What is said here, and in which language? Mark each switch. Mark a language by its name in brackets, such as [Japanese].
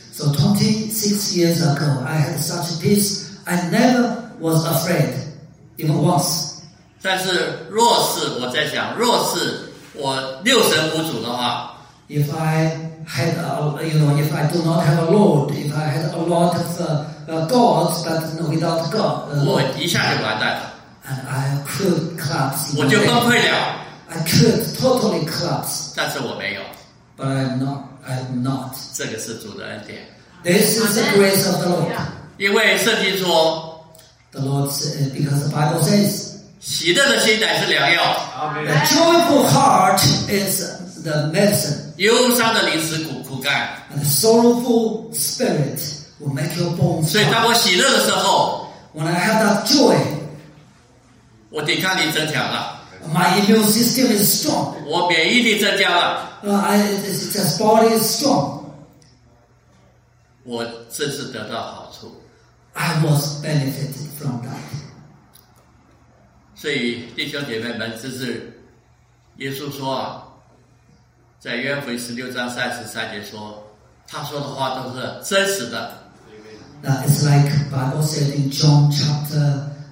[English] So 26 years ago, I had such peace. I never was afraid, even once. [Chinese] 但是若是我在想，若是我六神无主的话 [English] ，If I had, if I do not have a Lord, if I had a lot of gods, but without God, [Chinese] 我一下就完蛋了。 [English] And I could collapse. [Chinese] 我就崩溃了。 [English] I could totally collapse. [Chinese] 但是我没有。 [English] But I'm not. [Chinese] 这个是主的恩典。 [English] This is the grace of the Lord. [Chinese] 因为圣经说 [English] ，The Lord said, because the Bible says, [Chinese] 喜乐的心乃是良药。 [English] The joyful heart is the medicine. [Chinese] 忧伤的灵是苦干。 [English] And the sorrowful spirit will make your bones. [Chinese] 所以当我喜乐的时候 [English] ，When I have that joy. [Chinese] 我抵抗力增强了。 [English] My immune system is strong. [Chinese] 我免疫力增加了。 [English] This body is strong. [Chinese] 我真是得到好处。 [English] I was benefited from that. [Chinese] 所以弟兄姐妹们，这是耶稣说啊，在约翰福音16:33说，他说的话都是真实的。 [English] That is like Bible said in John chapter.